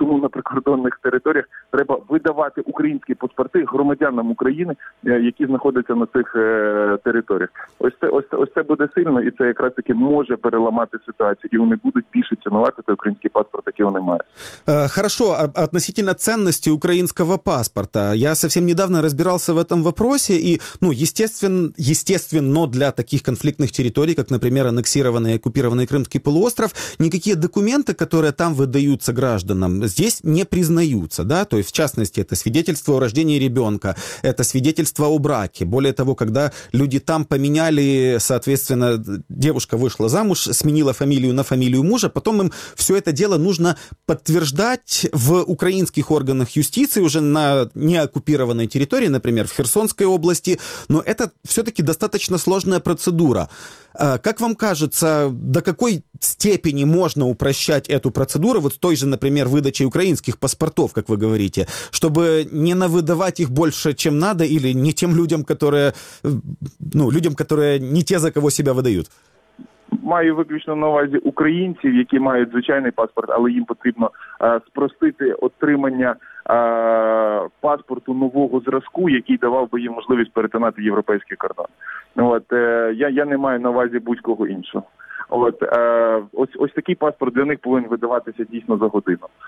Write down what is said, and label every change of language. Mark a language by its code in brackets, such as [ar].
[uk] Тому на прикордонних територіях треба видавати українські паспорти громадянам України, які знаходяться на цих територіях. Ось це буде сильно, і це якраз таки може переламати ситуацію, і вони будуть більше цінувати той український паспорт, який вони мають. [ru] Хорошо, а относительно [uk] цінності українського [ru] паспорта. Я совсем недавно розбирався в этом вопросе, и, ну, естественно, для таких конфликтных территорий, как, например, аннексированный и оккупированный Крымский полуостров, никакие документы, которые там выдаются гражданам, здесь не признаются, да, то есть, в частности, это свидетельство о рождении ребенка, это свидетельство о браке, более того, когда люди там поменяли, соответственно, девушка вышла замуж, сменила фамилию на фамилию мужа, потом им все это дело нужно подтверждать в украинских органах юстиции уже на неоккупированной территории, например, в Херсонской области, но это все-таки достаточно сложная процедура. Как вам кажется, до какой степени можно упрощать эту процедуру, вот с той же, например, выдачей украинских паспортов, как вы говорите, чтобы не навыдавать их больше, чем надо, или не тем людям, которые, ну, людям, которые не те, за кого себя выдают? [uk] Маю виключно на увазі українців, які мають звичайний паспорт, але їм потрібно спростити отримання паспорту нового зразку, який давав би їм можливість перетинати європейський кордон. От я не маю на увазі будь-кого іншого. От ось такий паспорт для них повинен видаватися дійсно за годину.